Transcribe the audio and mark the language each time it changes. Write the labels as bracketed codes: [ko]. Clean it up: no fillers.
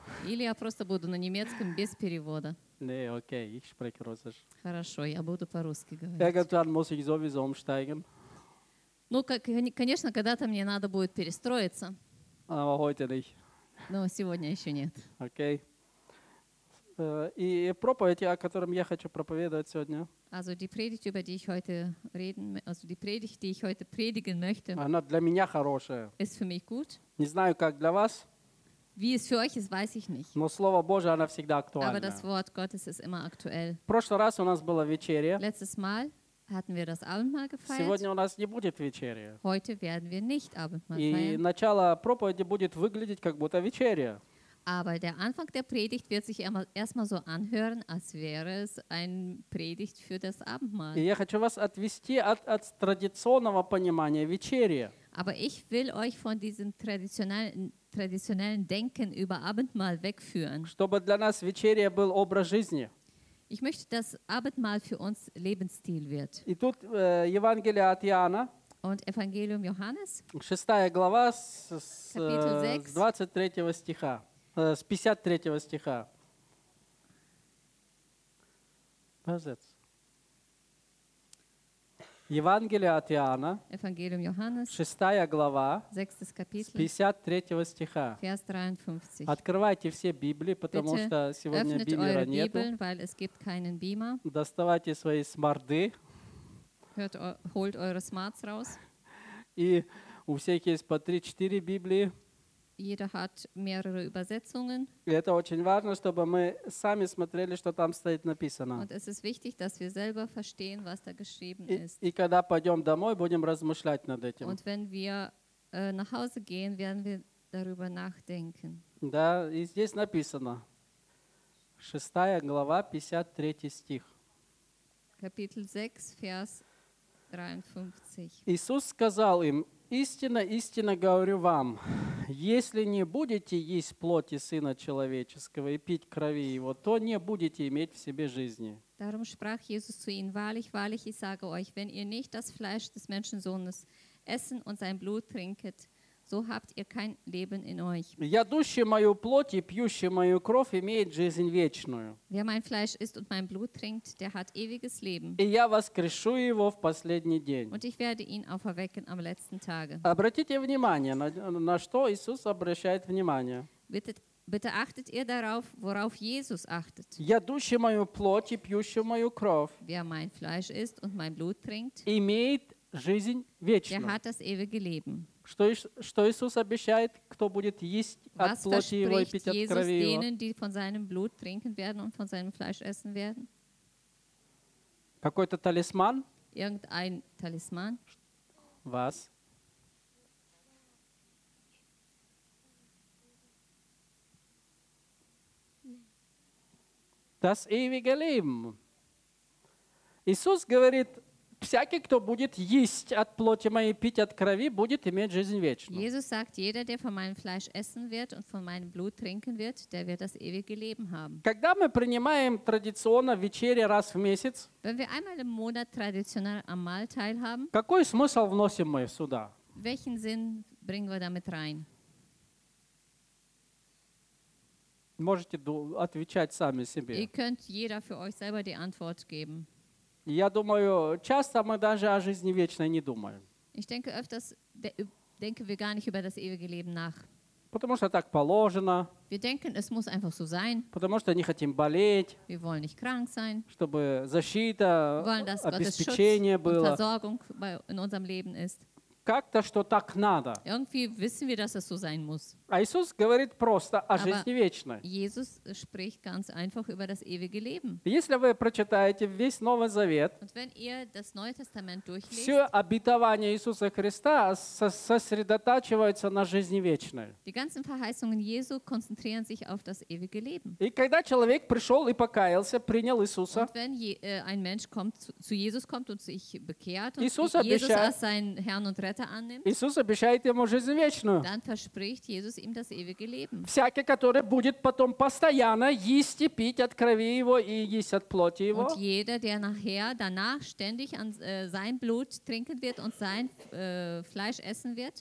[ru] Или я просто буду на немецком без перевода. [de] Nee, okay, ich spreche Russisch. [ru] Хорошо, я буду по-русски говорить. [de] Irgendwann muss ich sowieso umsteigen. [ru] Ну, конечно, когда-то мне надо будет перестроиться. [de] Aber heute nicht. [ru] Но сегодня еще нет. Okay. И проповедь, о котором я хочу проповедовать сегодня. [de] Also die Predigt, über die ich heute reden, also die Predigt, die ich heute predigen möchte. [ru] Она для меня хорошая. [de] Ist für mich gut. [ru] Не знаю, как для вас. [de] Wie es für euch ist, weiß ich nicht. [ru] Но слово Божие, оно всегда актуально. [de] Aber das Wort Gottes ist immer aktuell. [ru] В прошлый раз у нас была вечеря. [de] Letztes Mal. hatten wir das Abendmahl gefeiert. [ru] Сегодня у нас не будет вечеря. [de] Heute werden wir nicht Abendmahl feiern. [ru] И начало проповеди будет выглядеть как будто вечеря. [de] Aber der Anfang der Predigt wird sich erstmal so anhören, als wäre es ein Predigt für das Abendmahl. [ru] И я хочу вас отвести от традиционного понимания вечеря. [de] Aber ich will euch von diesem traditionellen Denken über Abendmahl wegführen. [ru] Чтобы для нас вечеря был образ жизни. [de] Ich möchte, dass Abendmahl für uns Lebensstil wird. [ru] И тут Евангелие от Иоанна. [de] Und Evangelium Johannes. [ru] 6 глава с 23 стиха. С 53 стиха. Базец. Евангелие от Иоанна, [de] Evangelium Johannes, [ru] 6 глава, [de] 6. Kapitel, [ru] 53 стиха. [de] Vers 53. [ru] Открывайте все Библии, потому [de] Bitte [ru] что сегодня бимера нету. [de] Bibeln, weil es gibt keinen Beamer. [ru] Доставайте свои смарты. [de] Holt eure Smarts raus. [ru] И у всех есть по 3-4 Библии. [de] Jeder hat mehrere Übersetzungen. [ru] Это очень важно, чтобы мы сами смотрели, что там стоит написано. [de] Und es ist wichtig, dass wir selber verstehen, was da geschrieben ist. [ru] И когда пойдем домой, будем размышлять над этим. [de] Und wenn wir nach Hause gehen, werden wir darüber nachdenken. [ru] Да, и здесь написано. 6 глава, 53 стих. [de] Kapitel 6, Vers 53. [ru] Иисус сказал им: «Истинно, истинно говорю вам, если не будете есть плоти Сына Человеческого и пить крови Его, то не будете иметь в себе жизни». [de] Darum sprach Jesus zu ihnen: «Wahrlich, wahrlich, ich sage euch, wenn ihr nicht das Fleisch des Menschensohnes essen und sein Blut trinket, so habt ihr kein Leben in euch». [ru] «Ядущий мою плоть и пьющий мою кровь имеет жизнь вечную». [de] Wer mein Fleisch isst und mein Blut trinkt, der hat ewiges Leben. [ru] «И я воскрешу его в последний день». [de] Und ich werde ihn auferwecken am letzten Tage. [ru] Обратите внимание, на что Иисус обращает внимание. [de] Bitte achtet ihr darauf, worauf Jesus achtet. [ru] «Ядущий мою плоть и пьющий мою кровь». [de] Wer mein Fleisch isst und mein Blut trinkt, [ru] имеет жизнь вечную. [de] Der hat das ewige Leben. [ru] Что Иисус обещает, кто будет есть от [de] Was [ru] плоти Его и пить [de] Jesus [ru] от крови Его? [de] Denen, die von seinem Blut trinken werden und von seinem Fleisch essen werden? [ru] Какой-то талисман? [de] Irgendein Talisman? Was? Das ewige Leben. [ru] Иисус говорит: «Всякий, кто будет есть от плоти моей, пить от крови, будет иметь жизнь вечную». [de] Jesus sagt: «Jeder, der von meinem Fleisch essen wird und von meinem Blut trinken wird, der wird das ewige Leben haben». [ru] Когда мы принимаем традиционно вечеря раз в месяц, [de] wenn wir einmal im Monat traditionell am Mahl teilhaben, [ru] какой смысл вносим мы сюда? [de] Welchen Sinn bringen wir damit rein? [ru] Можете отвечать сами себе. [de] Ihr könnt jeder für euch selber die Antwort geben. [ru] Я думаю, часто мы даже о жизни вечной не думаем. [de] Ich denke öfters, denke wir gar nicht über das ewige Leben nach. [ru] Потому что так положено. [de] Wir denken, es muss einfach so sein. [ru] Потому что не хотим болеть. [de] Wir wollen nicht krank sein. [ru] Чтобы защита, [de] wir wollen, dass [ru] обеспечение [de] Gottes Schutz [ru] было. [de] Und Versorgung in unserem Leben ist. [ru] Как-то, что так надо. [de] Irgendwie wissen wir, dass es so sein muss. [ru] А Иисус говорит просто о жизни вечной. [de] Jesus spricht ganz einfach über das ewige Leben. [ru] Если вы прочитаете весь Новый Завет, [de] und wenn ihr das Neue Testament durchlest, [ru] все обетования Иисуса Христа сосредотачиваются на жизни вечной. [de] Die ganzen Verheißungen Jesu konzentrieren sich auf das ewige Leben. [ru] И когда человек пришел и покаялся, принял Иисуса, [de] und wenn ein Mensch kommt, zu Jesus kommt und sich bekehrt und [ru] Иисус [de] Jesus als seinen Herrn und Retter annimmt, [ru] Иисус обещает ему жизнь вечную. [de] Dann verspricht Jesus ihm das ewige Leben. [ru] Всякий, который будет потом постоянно есть и пить от крови его и есть от плоти его. [de] Und jeder, der nachher danach ständig an sein Blut trinken wird und sein Fleisch essen wird,